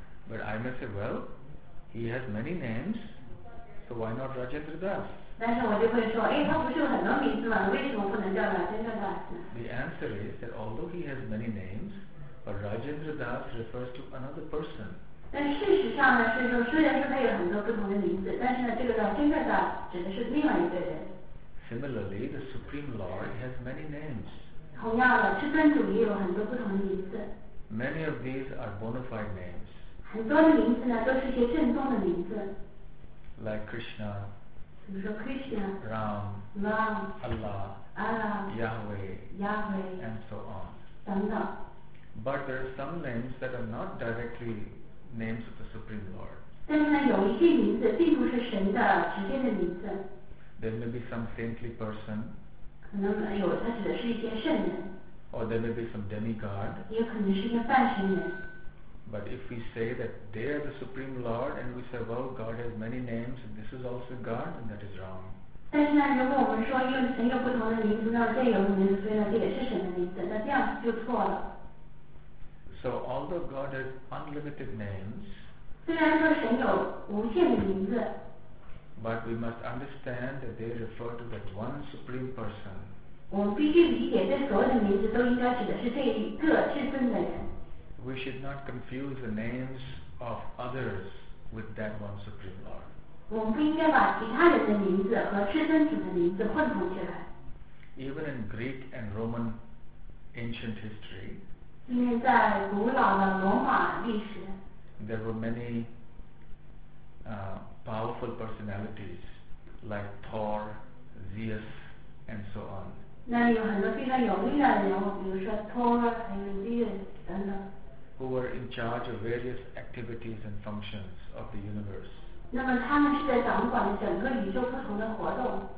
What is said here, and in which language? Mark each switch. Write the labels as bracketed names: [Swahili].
[English] But I may say, well, he has many names, so why not Rajendra Das? [Chinese] 但是我就会说，哎，他不是有很多名字吗？为什么不能叫 Rajendra Das？ [English] The answer is that although he has many names, but Rajendra Das refers to another person. [Chinese] 但事实上呢，是说虽然说他有很多不同的名字，但是呢，这个叫真正的指的是另外一个人。 [English] Similarly, the Supreme Lord has many names. [Chinese] 同样的，至尊主也有很多不同的名字。 [English] Many of these are bona fide names. [Chinese] 很多的名字呢，都是一些正宗的名字。 [English] Like Krishna. [Chinese] 比如说 Krishna. [English] Ram. [Chinese] Ram. [English] Allah. [Chinese] Allah. [English] Yahweh. [Chinese] Yahweh. [English] And so on. [Chinese] 等等。 [English] But there are some names that are not directly. Names of the Supreme Lord. [Chinese] 但是呢，有一些名字并不是神的直接的名字。 [English] There may be some saintly person. [Chinese] 可能有，它指的是一些圣人。 [English] Or there may be some demigod. [Chinese] 也可能是一些半神人。 [English] But if we say that they are the Supreme Lord, and we say, "Well, God has many names, and this is also God," then that is wrong. [Chinese] 但是呢，如果我们说因为神有不同的名字，那这有名字，所以呢，这也是神的名字，那这样就错了。 [English] So although God has unlimited names, [Chinese] 虽然说神有无限的名字 [English] but we must understand that they refer to that one supreme person. [Chinese] 我们必须理解这所有的名字都应该指的是这一个至尊的人。 [English] We should not confuse the names of others with that one supreme Lord. [Chinese] 我们不应该把其他人的名字和至尊主的名字混同起来。 [English] Even in Greek and Roman ancient history, [Chinese] 因为在古老的罗马历史 [English] there were many powerful personalities like Thor, Zeus and so on. [Chinese] 那有很多非常有力量的人物，比如说 Thor 还有 Zeus 等等 [English] who were in charge of various activities and functions of the universe. [Chinese] 那么他们是在掌管整个宇宙不同的活动